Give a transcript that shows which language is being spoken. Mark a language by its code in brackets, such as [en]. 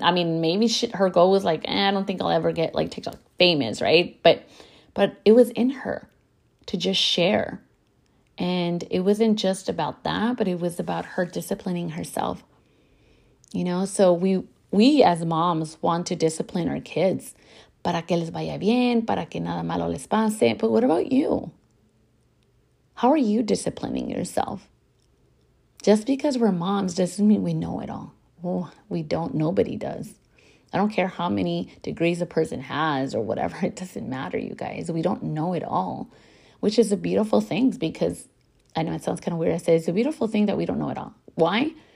[en] I mean, maybe her goal was like, I don't think I'll ever get like TikTok famous, right? But it was in her to just share. And it wasn't just about that, but it was about her disciplining herself. You know, so we as moms want to discipline our kids. [es] Para que les vaya bien, para que nada malo les pase. [en] But what about you? How are you disciplining yourself? Just because we're moms doesn't mean we know it all. Oh, we don't. Nobody does. I don't care how many degrees a person has or whatever. It doesn't matter, you guys. We don't know it all, which is a beautiful thing because I know it sounds kind of weird. I say it's a beautiful thing that we don't know it all. Why?